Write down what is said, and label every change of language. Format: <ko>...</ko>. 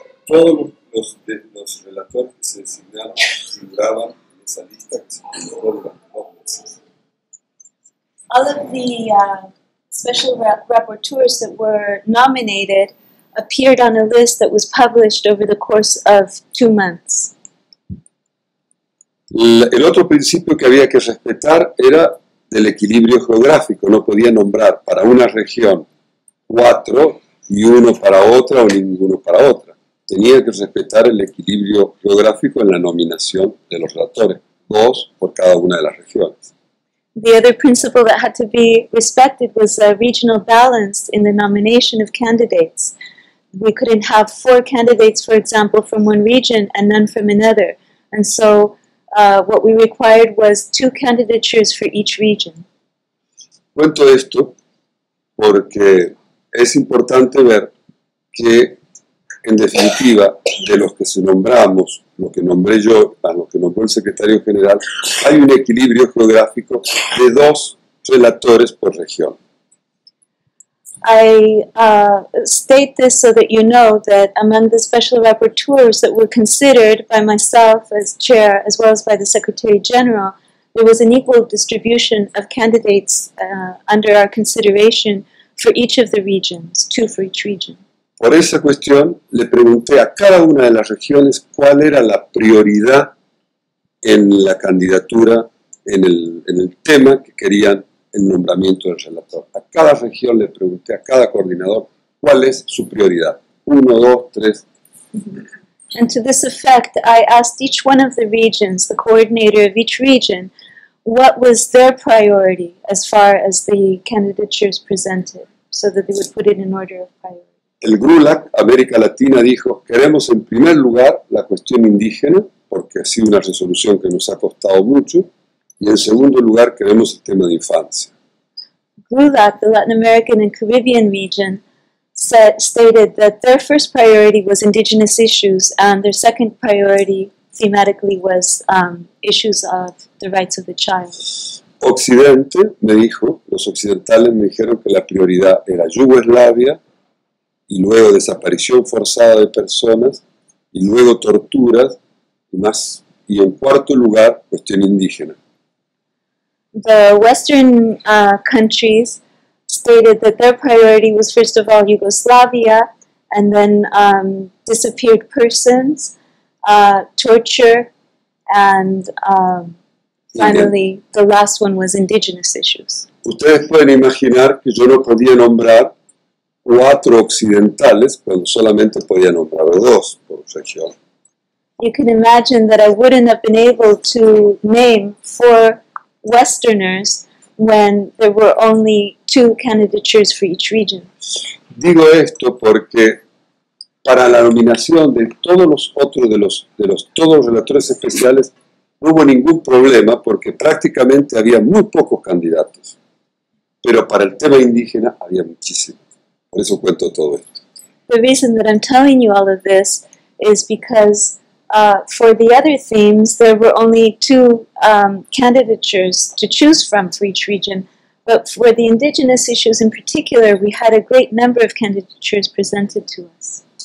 <es>Todos los relatores que se designaron figuraban en esa lista que se publicó de las provincias.</es> <en>All of the special rapporteurs that were nominated appeared on a list that was published over the course of 2 months.</en> <es>El otro principio que había que respetar era del equilibrio geográfico. No podía nombrar para una región 4 y uno para otra o ninguno para otra. Tenía que respetar el equilibrio geográfico en la nominación de los relatores, 2 por cada una de las regiones.</es> <en>The other principle that had to be respected was a regional balance in the nomination of candidates. We couldn't have 4 candidates, for example, from one region and none from another. And so what we required was 2 candidatures for each region.</en> <es>Cuento esto porque es importante ver que, en definitiva, de los que se nombramos, lo que nombré yo, a lo que nombró el secretario general, hay un equilibrio geográfico de 2 relatores por región.</es> <en>I state this so that you know that among the special rapporteurs that were considered by myself as chair, as well as by the secretary general, there was an equal distribution of candidates under our consideration for each of the regions, 2 for each region.</en> <es>Por esa cuestión, le pregunté a cada una de las regiones cuál era la prioridad en la candidatura en el tema que querían el nombramiento del relator. A cada región le pregunté, a cada coordinador, ¿cuál es su prioridad? Uno, dos, tres.</es> <en>And to this effect, I asked each one of the regions, the coordinator of each region, what was their priority as far as the candidatures presented, so that they would put it in order of priority.</en> <es>El GRULAC, América Latina, dijo, queremos en primer lugar la cuestión indígena, porque ha sido una resolución que nos ha costado mucho, y en segundo lugar queremos el tema de infancia.</es> <en>GRULAC, the Latin American and Caribbean region, stated that their first priority was indigenous issues, and their second priority thematically was issues of the rights of the child.</en> <es>Occidente me dijo, los occidentales me dijeron que la prioridad era Yugoslavia, y luego desaparición forzada de personas, y luego torturas, y más, y en cuarto lugar, cuestión indígena.</es> <en>The Western countries stated that their priority was first of all Yugoslavia, and then disappeared persons, torture, and finally, the last one was indigenous issues.</en> <es>Ustedes pueden imaginar que yo no podía nombrar cuatro occidentales, cuando solamente podía nombrar dos por región.</es> <en>You can imagine that I wouldn't have been able to name four Westerners when there were only two candidatures for each region.</en> <es>Digo esto porque para la nominación de todos los otros de los relatores especiales no hubo ningún problema porque prácticamente había muy pocos candidatos. Pero para el tema indígena había muchísimo. Por eso cuento todo esto.</es> <en>The reason that I'm telling you all of this is because for the other themes, there were only two candidatures to choose from for each region. But for the indigenous issues in particular, we had a great number of candidatures presented to us.</en>